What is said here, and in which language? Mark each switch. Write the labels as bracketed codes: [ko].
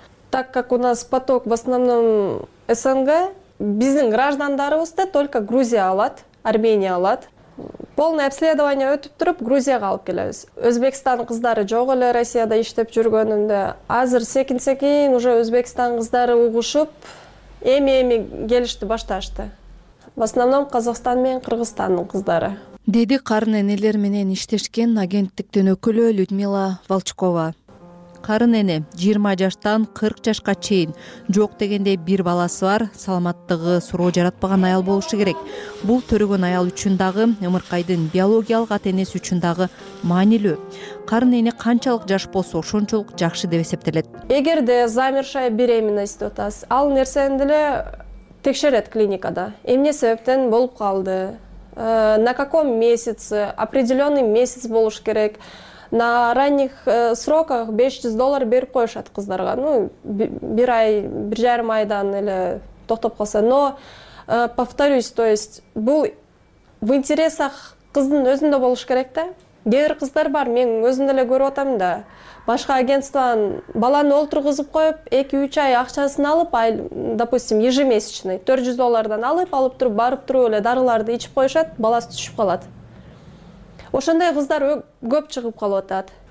[ru] Так как у нас поток в основном СНГ, [ky] биздин граждандарыбызды только Грузия алат, Армения алат. [ru] Полное обследование [ky] өтүп туруп Грузияга алып келебиз. Өзбекстан кыздары жок эле Россияда иштеп жүргөнүндө. Азыр секин-секин уже Өзбекстан кыздары угушуп, эми-эми келишти башташты. [ru] В основном [ky] Казахстан менен Кыргызстандын кыздары. Деди карын энелер менен иштешкен агенттиктин өкүлү Людмила Волчкова. Карын эне 20 жаштан 40 жашка чейин жок дегенде бир баласы бар, саламаттыгы суроо жаратпаган аял болушу керек. Бул төрөгөн аял үчүн дагы, ымыркайдын биологиялык ата энеси үчүн дагы маанилүү. Карын эне канчалык жаш болсо ошончолук жакшы деп эсептелет. Эгерде [ru] замершая беременность [ky] отас, ал нерсени деле текшерет клиникада. Эмне себептен болуп калды? [ru] На каком месяце, определенный месяц [ky] болуш керек. [ru] На ранних сроках [ky] 500 доллар берип коюшат кыздарга. Ну, бир ай, бир жарым айдан эле токтоп калса. [ru] Но, повторюсь, то есть, [ky] бул [ru] в интересах [ky] кыздын өзүндө болуш керек да. Кээ бир кыздар бар, мен өзүм деле көрүп атам да. Башка агентстван баланы олтургузуп коюп, 2-3 ай акчасын алып, ай, [ru] допустим, ежемесячный [ky] 400 доллардан алып туруп, барып туруп эле дарыларды ичип коюшат, баласы түшүп калат. Ошондой кыздар көп чыгып калып атат.